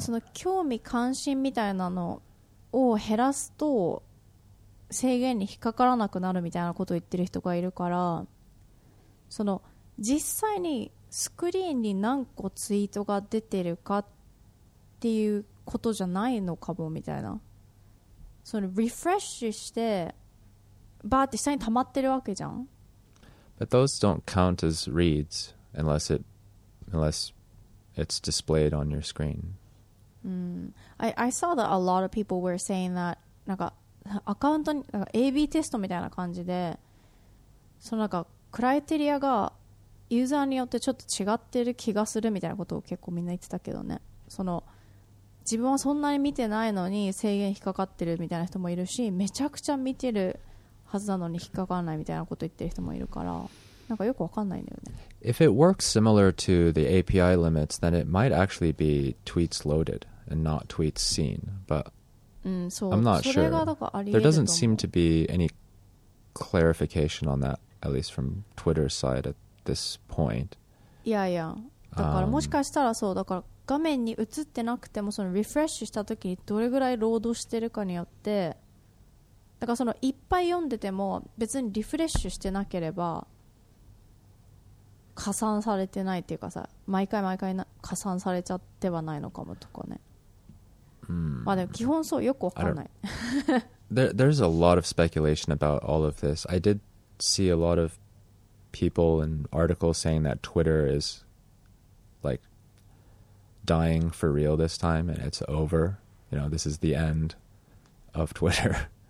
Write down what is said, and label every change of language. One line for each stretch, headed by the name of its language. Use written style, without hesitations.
Japanese: その興味関心みたいなのを減らすと制限に引っかからなくなるみたいなことを言ってる人がいるから、その実際にスクリーンに何個ツイートが出てるかっていうことじゃないのかもみたいな。そのリフレッシュしてバーって下に溜まってるわけじゃん。
English: But those don't count as reads unless it's displayed on your screen. I saw that a lot of people were saying that
Japanese: なんかアカウントになんか AB テストみたいな感じで、そのなんかクライテリアがユーザーによってちょっと違ってる気がするみたいなことを結構みんな言ってたけどね。その自分はそんなに見てないのに制限引っかかってるみたいな人もいるし、めちゃくちゃ見てるはずなのに引っかからないみたいなこと言ってる人もいるから、なんかよくわかんないんだよね。
English: If it works similar to the API limits, then it might actually be tweets loaded and not tweets seen. But I'm not sure. There doesn't seem to be any clarification on that, at least from Twitter's side this point. Yeah, yeah.
Japanese: だからもしかしたらそう、だから画面に映ってなくてもそのリフレッシュした時にどれぐらいロードしてるかによって、だからそのいっぱい読んでても別にリフレッシュしてなければ加算されてないっていうかさ、毎回毎回加算されちゃってはないのかもとかね。まあでも基本そう、よくわかんない。
English: There's a lot of speculation about all of this. I did see a lot ofPeople and articles saying that Twitter is like dying for real this time and it's over. You know, this is the end of Twitter.